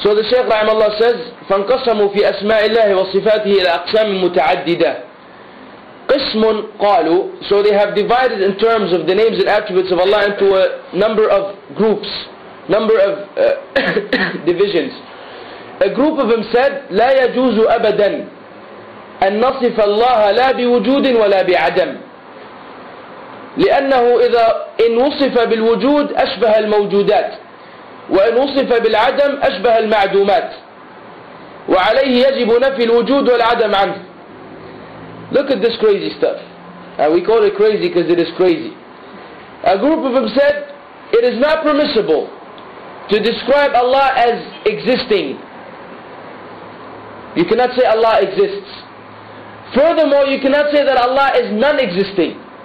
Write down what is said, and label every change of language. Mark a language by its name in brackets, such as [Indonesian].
[English] So the Shaykh rahimahullah says, [Arabic] فَانْقَسَمُوا فِي أَسْمَاءِ اللَّهِ وَصِفَاتِهِ إِلَى أَقْسَامٍ مُتَعَدِّدَةٍ قِسْمٌ قَالُوا. [English] So they have divided in terms of the names and attributes of Allah into a number of groups, number of divisions. A group of them said, [Arabic] لَا يَجُوزُ أَبَدًا أَن نَصِفَ اللَّهَ لَا بِوُجُودٍ وَلَا بِعَدَمٍ لأنه إذا إن وصف بالوجود أشبه الموجودات، وإن وصف بالعدم أشبه المعدومات، وعليه يجب نفي الوجود والعدم عنه. [English] Look at this crazy stuff. We call it crazy because it is crazy. A group of them said, it is not permissible to describe Allah as existing. You cannot say Allah exists. Furthermore, you cannot say that Allah is non-existing.